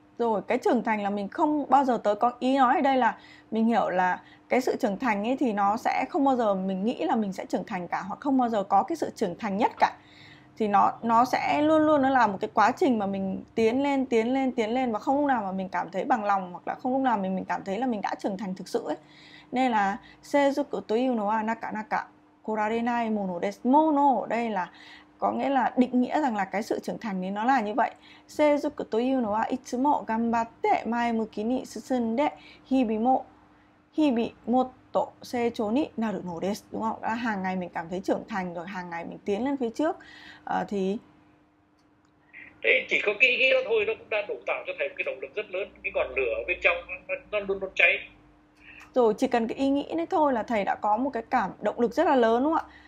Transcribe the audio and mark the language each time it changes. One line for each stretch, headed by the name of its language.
Vietnamese: Rồi cái trưởng thành là mình không bao giờ tới, có ý nói ở đây là mình hiểu là cái sự trưởng thành ấy thì nó sẽ không bao giờ mình nghĩ là mình sẽ trưởng thành cả, hoặc không bao giờ có cái sự trưởng thành nhất cả, thì nó sẽ luôn luôn nó là một cái quá trình mà mình tiến lên tiến lên tiến lên, và không lúc nào mà mình cảm thấy bằng lòng hoặc là không lúc nào mình cảm thấy là mình đã trưởng thành thực sự ấy. Nên là
Japanese: seijuku というのはなかなか来られないものです。
Vietnamese: mono đây là có nghĩa là định nghĩa rằng là cái sự trưởng thành thì nó là như vậy.
Japanese: Seijuku というのはいつも頑張って前向きに進んで日々もっと成長になるのです。
Vietnamese: đúng không? Hàng ngày mình cảm thấy trưởng thành rồi, hàng ngày mình tiến lên phía trước. Thì Thế chỉ có cái ý nghĩa đó thôi nó cũng đã đủ tạo cho thầy một cái động lực rất lớn, cái ngọn lửa bên trong nó luôn luôn cháy. rồi chỉ cần cái ý nghĩ đấy thôi là thầy đã có một cái cảm động lực rất là lớn đúng không ạ?